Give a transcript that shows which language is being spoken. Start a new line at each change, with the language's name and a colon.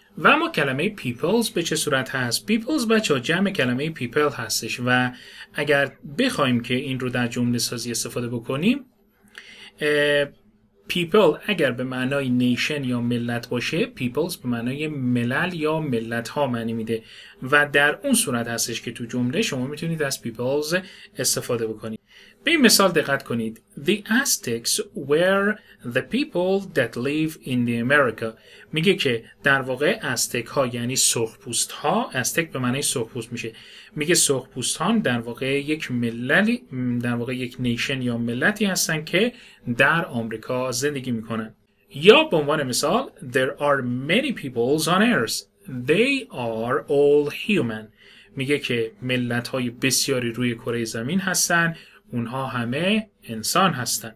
Persian: و اما کلمه peoples به چه صورت هست؟ peoples بچه جمع کلمه people هستش و اگر بخوایم که این رو در جمله سازی استفاده بکنیم، people اگر به معنای nation یا ملت باشه، peoples به معنای ملل یا ملت ها معنی میده و در اون صورت هستش که تو جمله شما میتونید از peoples استفاده بکنید. به این مثال دقت کنید.
English: The Aztecs were the people that live in the America.
Persian: میگه که در واقع استک ها یعنی سرخپوست ها، استک به معنی سرخپوست میشه. میگه سرخپوست ها در واقع یک مللی، در واقع یک نیشن یا ملتی هستن که در آمریکا زندگی میکنن. یا به عنوان مثال
English: There are many peoples on earth. They are all human.
Persian: میگه که ملت های بسیاری روی کره زمین هستن، اونها همه انسان هستن.